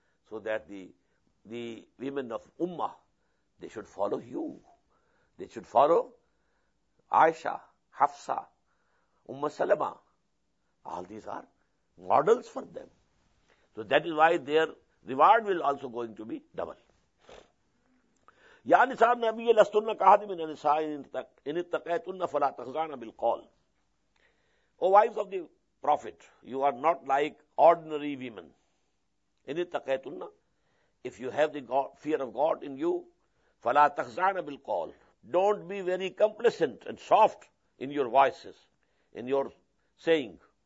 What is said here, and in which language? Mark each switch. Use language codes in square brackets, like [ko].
[en] So that the women of Ummah, they should follow you. They should follow Aisha, Hafsa, Umm Salama. All these are models for them. So that is why their reward will also going to be double. [ar] يا نساء النبي لستن كاهد من النساء ان اتقيتن فلا تخزعن بالقول. [en] O wives of the Prophet, you are not like ordinary women. [ar] ان اتقيتن, [en] if you have the God, fear of God in you, [ar] فلا تخزعن بالقول. [en] Don't be very complacent and soft in your voices, in your saying.